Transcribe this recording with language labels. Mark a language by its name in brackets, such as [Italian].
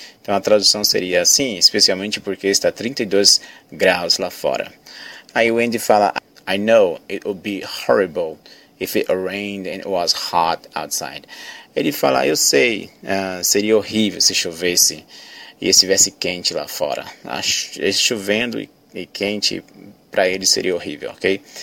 [Portuguese] Então a tradução seria assim, especialmente porque está 32 graus lá fora. Aí o Andy fala, [English] I know it would be horrible if it rained and it was hot outside. [Portuguese] Ele fala, eu sei, seria horrível se chovesse e estivesse quente lá fora. Chovendo e quente, para ele seria horrível, ok?